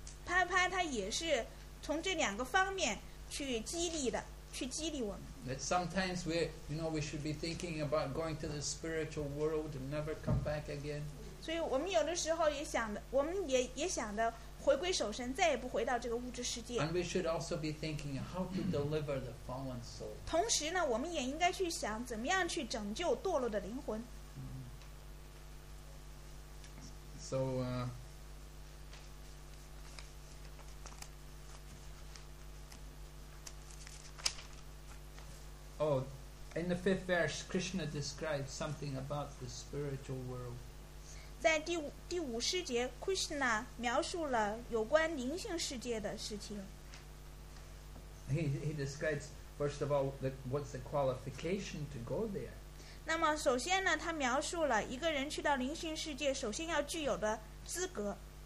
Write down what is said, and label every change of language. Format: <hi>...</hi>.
<zh>帕帕他也是从这两个方面去激励的。</zh> <en>That sometimes we, you know, we should be thinking about going to the spiritual world and never come back again.</en> <zh>所以我们有的时候也想的，我们也想的回归守神，再也不回到这个物质世界。</zh> <en>And we should also be thinking how to deliver the fallen soul.</en> <zh>同时呢，我们也应该去想怎么样去拯救堕落的灵魂。</zh> <en>So. Oh, in the fifth verse, Krishna describes something about the spiritual world.</en> <zh>在第五十节 Krishna 描述了有关灵性世界的事情。</zh> <en>He describes first of all what's the qualification to go there。</en> <zh>那么首先呢，他描述了一个人去到灵性世界首先要具有的资格。</zh>